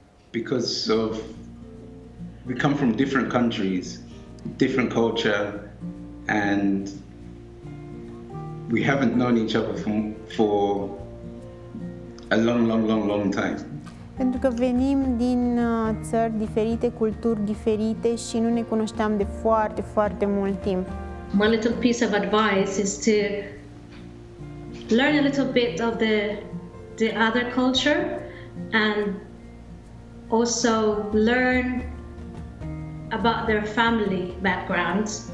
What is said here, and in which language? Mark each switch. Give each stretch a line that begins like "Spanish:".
English: Because of we come from different countries, different culture, and we haven't known each other for a long time.
Romanian: Pentru că venim din țări diferite, culturi diferite și nu ne cunoșteam de foarte, foarte mult timp.
English: My little piece of advice is to learn a little bit of the other culture and also learn about their family background.